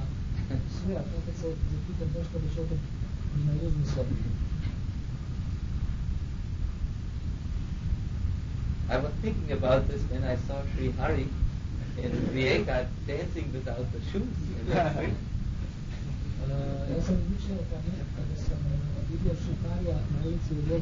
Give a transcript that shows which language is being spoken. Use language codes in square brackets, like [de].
[ru] что ты что-то наизусть забыл. [en] I was thinking about this when I saw Sri Hari in Rijeka dancing without the shoes. [ru] Я замечал, когда сам видел Шри Хари на улице в Риге,